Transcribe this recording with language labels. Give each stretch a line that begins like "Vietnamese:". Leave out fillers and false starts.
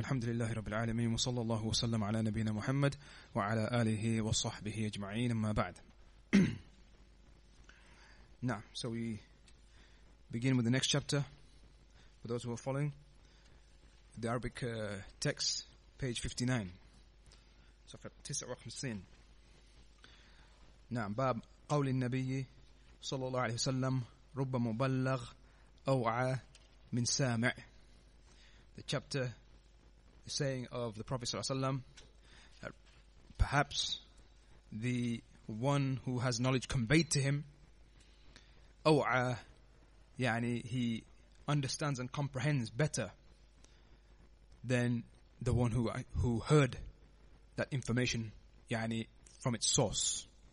Arabic: الحمد لله رب العالمين، وصلى الله وسلم على نبينا محمد وعلى آله وصحبه أجمعين، أما بعد.
English: Now, so we begin with the next chapter. For those who are following, the Arabic text, page 59.
Arabic: صفحة 59. نعم باب قول النبي صلى الله عليه وسلم رب مبلغ أوعى من سامع.
English: The chapter, the saying of the Prophet ﷺ, that perhaps the one who has knowledge conveyed to him, أوعى, يعني he understands and comprehends better than the one who heard that information, يعني from its source.